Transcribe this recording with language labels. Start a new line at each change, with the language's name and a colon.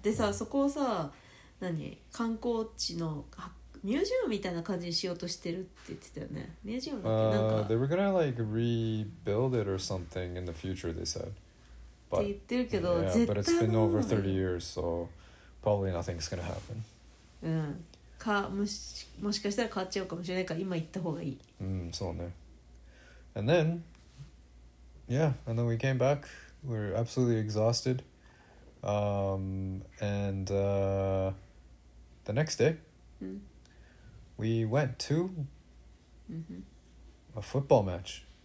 Japanese: でさ、そこをさ、何、観光地のミュージアムみたいな感じにしようとしてるって言ってたよね。ミュージアムってなんか、
English: They were gonna like rebuild it or something in the future, they said.
Japanese: But, って言ってるけど、絶対ない。
English: But it's been over 30 years, so probably nothing's gonna happen.
Japanese: もしかしたら変わっちゃうかもしれないから、今行った方がいい。そうね。
English: And then, yeah, and then we came back. We're absolutely exhausted. The next day, we went to a football match.